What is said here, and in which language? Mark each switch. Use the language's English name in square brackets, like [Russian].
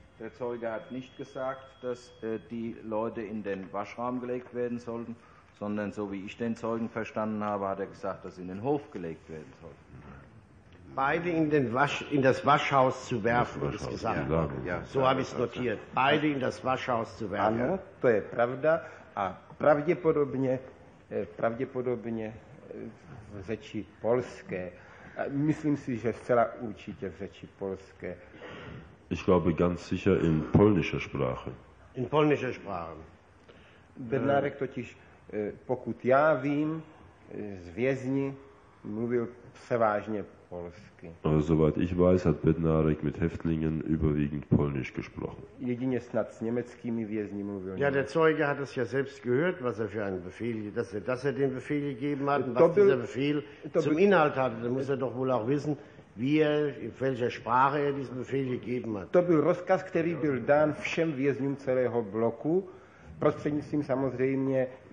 [German] Der Zeuge hat nicht gesagt, dass die Leute in den Waschraum gelegt werden sollten, sondern so wie ich den Zeugen verstanden habe, hat er gesagt, dass sie in den Hof gelegt werden sollten. Beide in, den Wasch, in das Waschhaus zu werfen, das Waschhaus, ist gesagt. Ja, ja, so habe ich es notiert. Beide in das Waschhaus zu werfen. [Czech] Ano, to je pravda. A pravděpodobně v řeči polské. Myslím si, že zcela určitě v řeči polské. [German] Ich glaube ganz sicher in polnischer Sprache. In polnischer Sprache. [Czech] Bednarek totiž, pokud já vím, z vězni mluvil převážně polsky. [German] Soweit ich weiß, hat Bednarek mit Häftlingen überwiegend polnisch gesprochen. [Czech] Jedině snad s německými vězni mluvil. [German] Ja, der Zeuge hat es ja selbst gehört, was er für einen Befehl, dass er den Befehl gegeben hat und was dieser Befehl zum Inhalt hatte. Da muss er doch wohl auch wissen, wie er, in welcher Sprache er diesen Befehl gegeben hat. [Czech] To byl rozkaz, který byl dán všem vězňům celého bloku, prostřednictvím samozřejmě.